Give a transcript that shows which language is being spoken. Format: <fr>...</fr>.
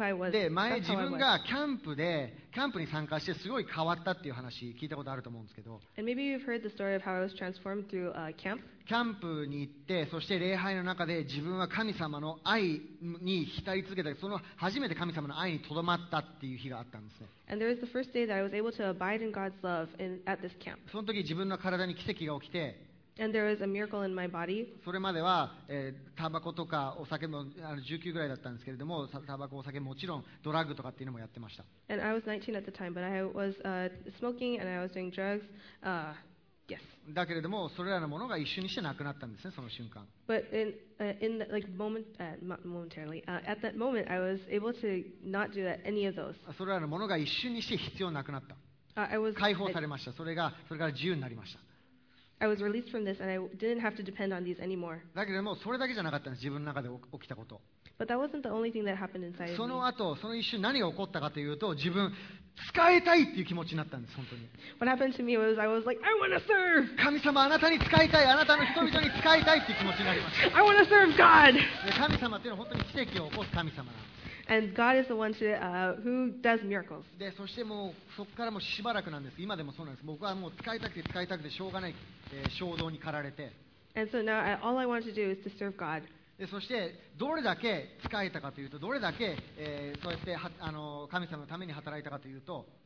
<ja>で、前自分がキャンプに参加してすごい変わったっていう話聞いたことあると思うんですけど。</ja> <en>And maybe you've heard the story of how I was transformed through camp.</en> <ja>キャンプに行って、そして礼拝の中で自分は神様の愛に浸り続けた、その初めて神様の愛にとどまったっていう日があったんですね。</ja> <en>And there was the first day that I was able to abide in God's love at this camp.</en> <ja>その時自分の体に奇跡が起きて、</ja> <en>And there was a miracle in my body.</en> <ja>それまではタバコとかお酒も19ぐらいだったんですけれども、タバコお酒もちろんドラッグとかっていうのもやってました。</ja> <en>And I was 19 at the time, but I was smoking and I was doing drugs. Yes.</en> <ja>だけれどもそれらのものが一瞬にしてなくなったんですね、その瞬間。</ja> <en>But in the, like moment, momentarily, at that moment, I was able to not do that, any of those.</en> <ja>それらのものが一瞬にして必要なくなった。解放されました。それから自由になりました。</ja> <en>I was released from this and I didn't have to depend on these anymore.</en> <ja>だけどもそれだけじゃなかったんです、自分の中で起きたこと。</ja> <en>But that wasn't the only thing that happened inside</en> <ja>その後、</ja> <en>me.</en> <ja>その一瞬何が起こったかというと、自分、使いたいっていう気持ちになったんです、本当に。</ja> <en>What happened to me was I was like, I want to serve!</en> <ja>神様、あなたに使いたい、あなたの人々に使いたいっていう気持ちになりました。</ja> <en>I want to serve God!</en> <ja>神様っていうのは本当に奇跡を起こす神様なんです。</ja> <en>And God is the one to, who does miracles.</en> <ja>で、そしてもうそこからもしばらくなんです。今でもそうなんです。僕はもう使いたくてしょうがない、衝動に駆られて。</ja> <en>And so now all I want to do is to serve God.</en> <ja>で、そしてどれだけ使えたかというと、どれだけ、そうやって神様のために働いたかというと、</ja>